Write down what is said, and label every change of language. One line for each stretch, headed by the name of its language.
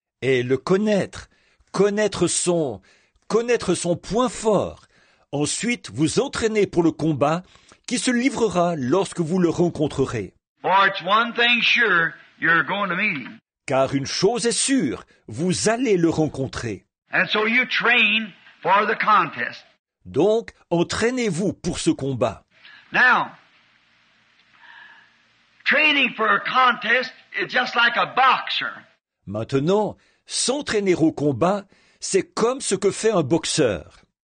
French: Et le connaître, connaître son point fort. Ensuite, vous entraînez pour le combat qui se livrera lorsque vous le rencontrerez.
English: Or it's one thing sure, you're going to meet him.
French: Car une chose est sûre, vous allez le rencontrer.
English: And so you train for the contest.
French: Donc, entraînez-vous pour ce combat.
English: Now, training for a contest is just like a boxer.
French: Maintenant, s'entraîner au combat, c'est comme ce que fait un boxeur.